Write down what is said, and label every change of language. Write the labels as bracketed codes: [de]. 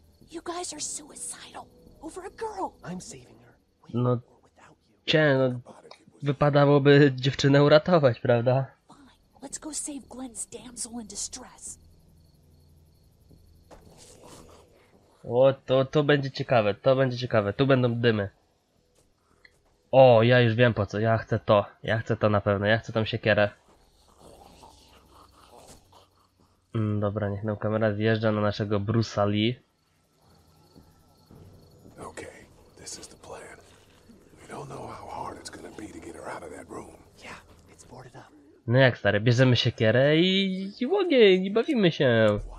[en] You guys are suicidal over a girl. I'm saving her. [pl] No, no, wypadałoby dziewczynę uratować, prawda? [en] Let's go save Glenn's damsel in distress. [pl] O, to będzie ciekawe, to będzie ciekawe. Tu będą dymy. O, ja już wiem po co. Ja chcę to. Ja chcę to na pewno. Ja chcę tą siekierę. Dobra, niech nam kamera zjeżdża na naszego Bruce'a Lee. [en] Okay, this is the plan. We don't know how hard it's gonna be to get her out of that room. Yeah, it's boarded up. [pl] No jak, stary, bierzemy siekierę i ogień, i bawimy się.